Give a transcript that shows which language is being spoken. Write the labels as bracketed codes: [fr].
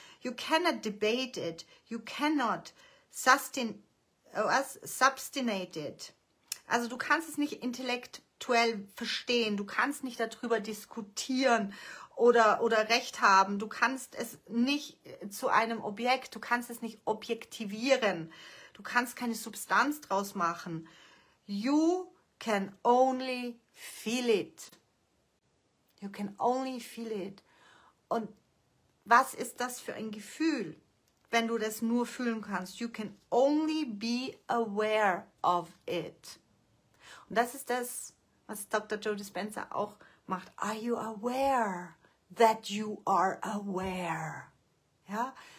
[en] You cannot debate it. You cannot substantiate it. [de] Also, du kannst es nicht intellektuell verstehen. Du kannst nicht darüber diskutieren oder Recht haben. Du kannst es nicht zu einem Objekt, du kannst es nicht objektivieren. Du kannst keine Substanz draus machen. [en] You can only feel it. You can only feel it. Und [de] was ist das für ein Gefühl, wenn du das nur fühlen kannst? [en] You can only be aware of it. [de] Und das ist das, was Dr. Joe Dispenza auch macht. [en] Are you aware that you are aware? Ja?